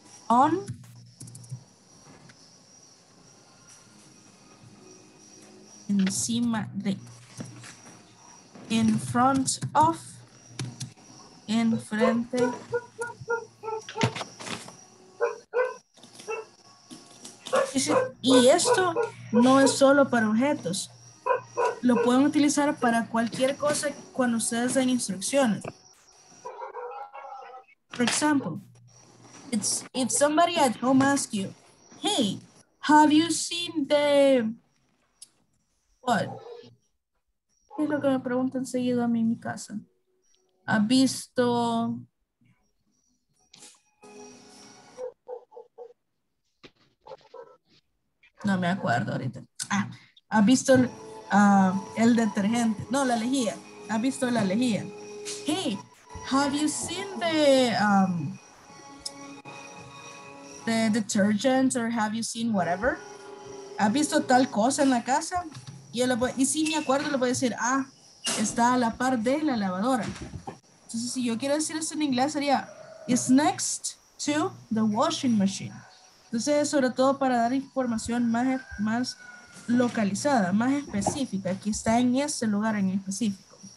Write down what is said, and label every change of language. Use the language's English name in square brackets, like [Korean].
[Spanish] On, encima de, [English] in front of, [Spanish] en frente, y difícil. Y esto no es solo para objetos. Lo pueden utilizar para cualquier cosa cuando ustedes den instrucciones. [English] For example, if somebody at home asks you, hey, have you seen the... What? [Spanish] ¿Qué es lo que me preguntan seguido a mí en mi casa? ¿Ha visto...? No me acuerdo ahorita. Ah, ¿ha visto el detergente? No, la lejía. ¿Ha visto la lejía? [English] Hey, have you seen the detergent or have you seen whatever? [Spanish] ¿Ha visto tal cosa en la casa? Y si me acuerdo, le voy a decir, ah, está a la par de la lavadora. Entonces, si yo quiero decir eso en inglés, sería, [English] it's next to the washing machine. [Spanish] Entonces, sobre todo para dar información más localizada, más específica, que está en ese lugar en específico.